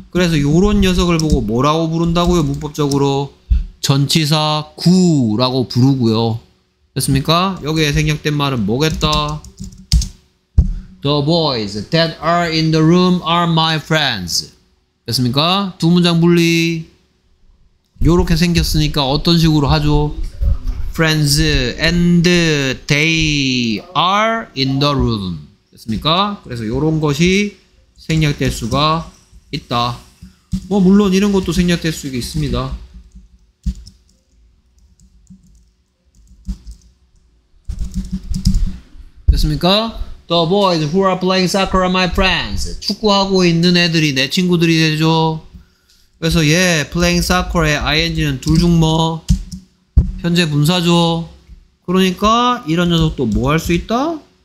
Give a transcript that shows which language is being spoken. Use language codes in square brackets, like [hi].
[ko] 그래서 요런 녀석을 보고 뭐라고 부른다고요? 문법적으로 전치사 구라고 부르고요. 됐습니까? 여기에 생략된 말은 뭐겠다? [en] The boys that are in the room are my friends. [ko] 됐습니까? 두 문장 분리 요렇게 생겼으니까 어떤 식으로 하죠? [en] Friends and they are in the room. 됐습니까? [ko] 그래서 요런 것이 생략될 수가 있다. 뭐 물론 이런 것도 생략될 수 있습니다. 됐습니까? [en] The boys who are playing soccer are my friends. [ko] 축구하고 있는 애들이 내 친구들이 되죠. 그래서 예, [en] playing soccer [ko] 의 ing는 둘 중 뭐 현재 분사죠. 그러니까 이런 녀석도 뭐 할 수 있다?